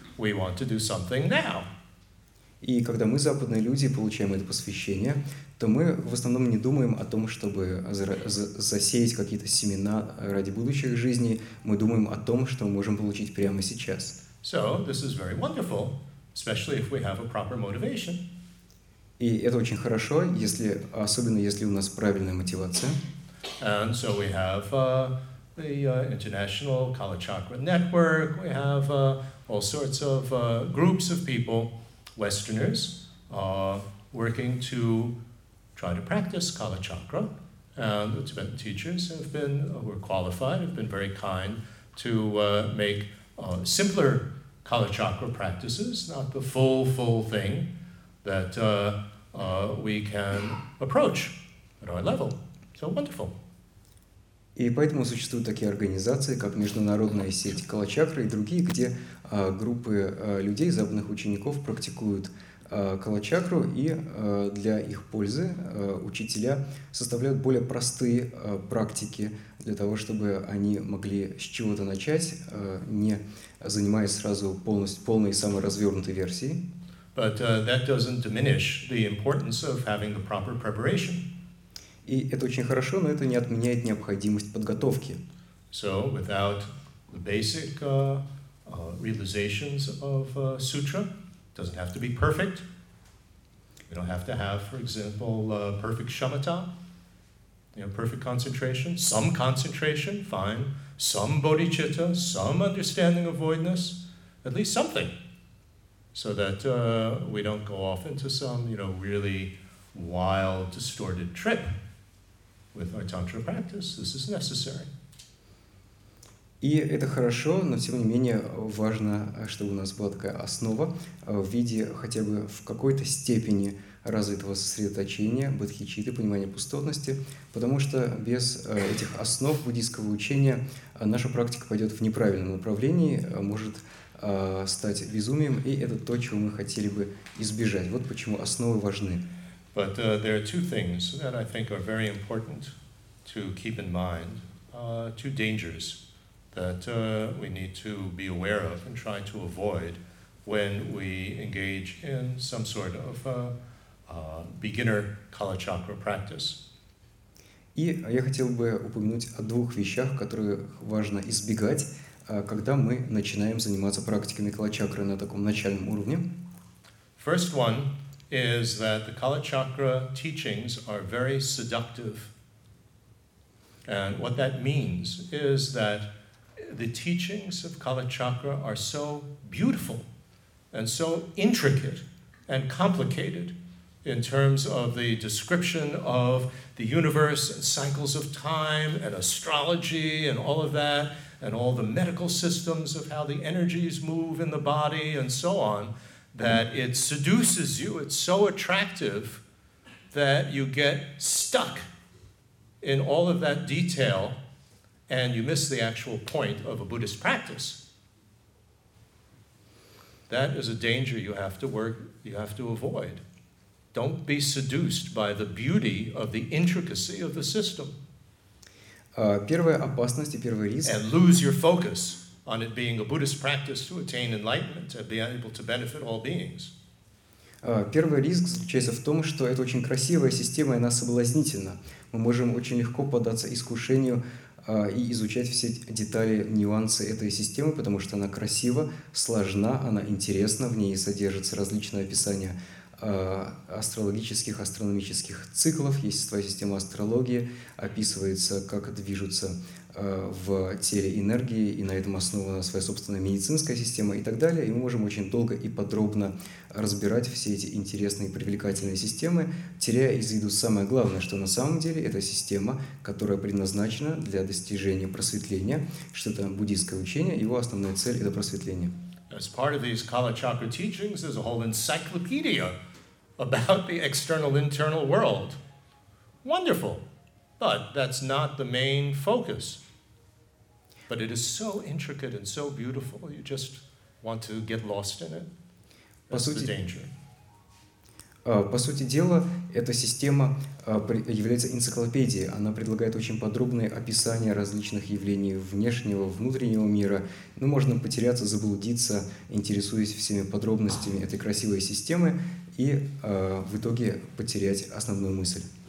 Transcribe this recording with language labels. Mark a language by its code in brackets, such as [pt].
[en] We want to do something now. [ru] И когда мы, западные люди, получаем это посвящение, то мы в основном не думаем о том, чтобы засеять какие-то семена ради будущих жизней. Мы думаем о том, что мы можем получить прямо сейчас. [en] So, this is very wonderful, especially if we have a proper motivation. [ru] И это очень хорошо, если, особенно если у нас правильная мотивация. [en] And so we have the International Kalachakra Network. We have all sorts of groups of people, Westerners, working to try to practice Kalachakra, and the Tibetan teachers have been, were qualified, have been very kind to make simpler Kalachakra practices, not the full thing that we can approach at our level. So wonderful. [ru] И поэтому существуют такие организации, как Международная сеть Калачакры и другие, где группы людей, западных учеников, практикуют калачакру, и для их пользы учителя составляют более простые практики для того, чтобы они могли с чего-то начать, не занимаясь сразу полной самой развернутой версией. [en] But that doesn't diminish the importance of having the proper preparation. [ru] И это очень хорошо, но это не отменяет необходимость подготовки. [en] So, without the basic realizations of sutra, it doesn't have to be perfect. We don't have to have, for example, perfect shamatha, you know, perfect concentration, some concentration, fine, some bodhicitta, some understanding of voidness, at least something, so that we don't go off into some, you know, really wild, distorted trip with our tantra practice. This is necessary. [ru] И это хорошо, но тем не менее важно, чтобы у нас была такая основа в виде хотя бы в какой-то степени развитого сосредоточения, бодхичитты, понимания пустотности, потому что без этих основ буддийского учения наша практика пойдет в неправильном направлении, может стать безумием, и это то, чего мы хотели бы избежать. Вот почему основы важны. [en] But there are two things that I think are very important to keep in mind, two dangers that we need to be aware of and try to avoid when we engage in some sort of beginner kalachakra practice. [ru] И я хотел бы упомянуть о двух вещах, которые важно избегать, когда мы начинаем заниматься практиками калачакры на таком начальном уровне. [en] First one is that the kalachakra teachings are very seductive. And what that means is that the teachings of kalachakra are so beautiful and so intricate and complicated in terms of the description of the universe and cycles of time and astrology and all of that and all the medical systems of how the energies move in the body and so on, that it seduces you, it's so attractive that you get stuck in all of that detail and you miss the actual point of a Buddhist practice. That is a danger you have to avoid. Don't be seduced by the beauty of the intricacy of the system. [ru] Первая опасность и первый риск. [en] And lose your focus on it being a Buddhist practice to attain enlightenment and be able to benefit all beings. [ru] Первый риск заключается в том, что это очень красивая система, и она соблазнительна. Мы можем очень легко поддаться искушению и изучать все детали, нюансы этой системы, потому что она красива, сложна, она интересна, в ней содержится различное описание астрологических, астрономических циклов, есть своя система астрологии, описывается, как движутся в теле энергии, и на этом основана своя собственная медицинская система и так далее, и мы можем очень долго и подробно разбирать все эти интересные и привлекательные системы, теряя из виду самое главное, что на самом деле это система, которая предназначена для достижения просветления, что это буддийское учение, его основная цель – это просветление. [en] As part of these Kalachakra teachings, there's a whole encyclopedia about the external internal world. Wonderful. But that's not the main focus. But it is so intricate and so beautiful, you just want to get lost in it. That's the danger. [ru] По сути дела, эта система является энциклопедией. Она предлагает очень подробные описания различных явлений внешнего, внутреннего мира. Но можно потеряться, заблудиться, интересуясь всеми подробностями этой красивой системы, и в итоге потерять основную мысль.